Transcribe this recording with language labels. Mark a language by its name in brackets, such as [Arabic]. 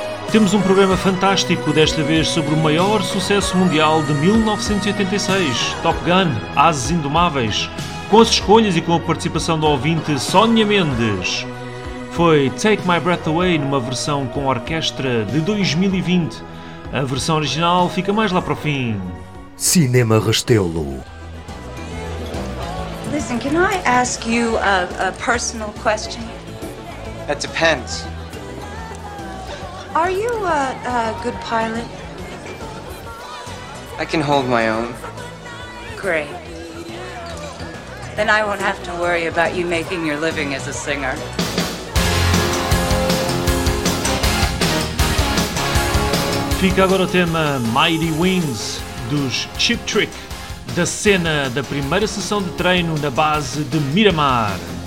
[Portuguese] Temos um programa fantástico, desta vez sobre o maior sucesso mundial de 1986, Top Gun, Ases Indomáveis, com as escolhas e com a participação do ouvinte Sónia Mendes. foi Take My Breath Away, numa versão com orquestra de 2020. A versão original fica mais lá para o fim. Cinema Restelo. [English] Listen, can I ask you a personal question? It depends. Are you a good pilot? I can hold my own. Great. Then I won't have to worry about you making your living as a singer. [Portuguese] Fica agora o tema Mighty Wings, dos Cheap Trick, da cena da primeira sessão de treino na base de Miramar.